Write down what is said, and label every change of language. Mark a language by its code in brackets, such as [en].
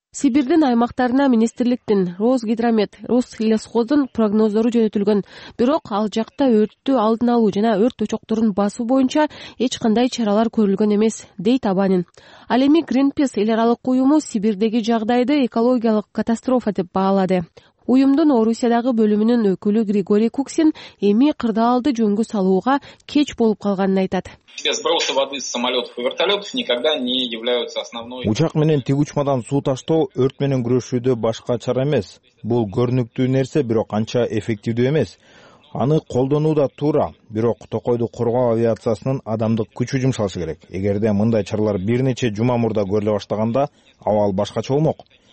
[ky] Сибирдин аймактарына министрликтин Росгидромет, Россельхоздун прогноздору жөнөтүлгөн, бирок ал жакта өрттү алдын алуу жана өрт өчөктөрүн басуу боюнча эч кандай чаралар көрүлгөн эмес, дейт Абанин. Ал эми Greenpeace эл аралык уюму Сибирдеги жагдайды экологиялык катастрофа деп баалады. Уюмдун Орусиядагы бөлүмүнүн өкүлү Григорий Куксин эми кырдаалды жөнгө салууга кеч болуп калганын айтат. [ru] Сбросы воды с самолетов и вертолетов никогда не являются основной. [ky] Учак менен тиг учмадан суу таштоо өрт менен күрөшүүдө башка чара эмес. Бул көрүнүктүү нерсе, бирок анча эффективдүү эмес. Аны колдонуу да туура, бирок токойду коргоо авиациясынын адамдык күчү жумшалышы керек. Эгерде мындай чаралар бир нече жума мурда көрүлө баштаганда абал башкача болмок.